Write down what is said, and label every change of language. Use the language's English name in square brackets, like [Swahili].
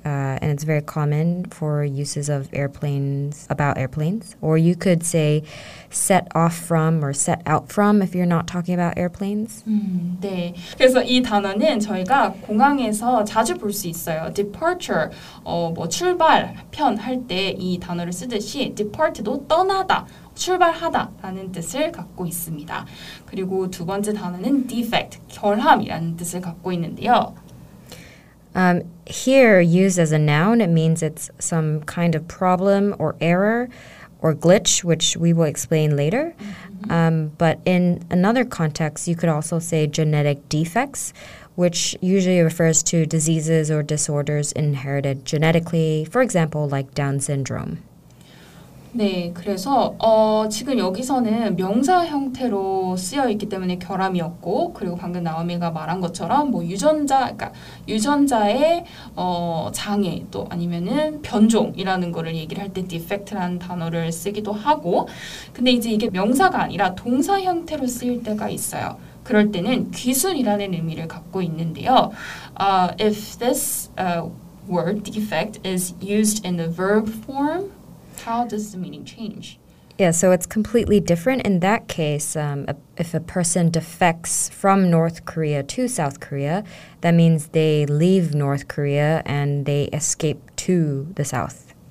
[English] And it's very common for uses of airplanes, about airplanes. Or you could say set off from or set out from if you're not talking about airplanes. [Korean] 네, 그래서 이 단어는 저희가 공항에서 자주 볼 수 있어요. Departure, 뭐 출발, 편 할 때 이 단어를 쓰듯이 depart도 떠나다. 출발하다라는 뜻을 갖고 있습니다. 그리고 두 번째 단어는 defect, 결함이라는 뜻을 갖고 있는데요. [English] Here, used as a noun, it means it's some kind of problem or error or glitch, which we will explain later. But in another context, you could also say genetic defects, which usually refers to diseases or disorders inherited genetically, for example, like Down syndrome. [Korean] 네, 그래서 지금 여기서는 명사 형태로 쓰여 있기 때문에 결함이었고 그리고 방금 나오미가 말한 것처럼 뭐 유전자, 그러니까 유전자의 장애 또 아니면은 변종이라는 거를 얘기를 할 때 defect라는 단어를 쓰기도 하고 근데 이제 이게 명사가 아니라 동사 형태로 쓰일 때가 있어요. 그럴 때는 귀순이라는 의미를 갖고 있는데요. [English] If this word defect is used in the verb form, how does the meaning change? Yeah, so it's completely different. In that case, if a person defects from North Korea to South Korea, that means they leave North Korea and they escape to the South.